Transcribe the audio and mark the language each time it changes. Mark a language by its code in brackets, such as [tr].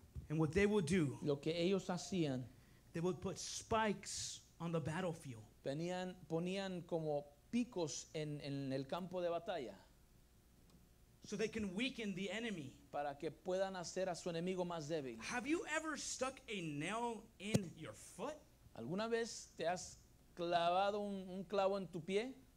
[en] and what they would do, [es] lo que ellos hacían, [en] they would put spikes on the battlefield. [es] Ponían como picos en el campo de batalla. [en] So they can weaken the enemy. [es] Para que puedan hacer a su enemigo más débil. [en] Have you ever stuck a nail in your foot? [es] ¿Alguna vez te has clavado un clavo en tu pie?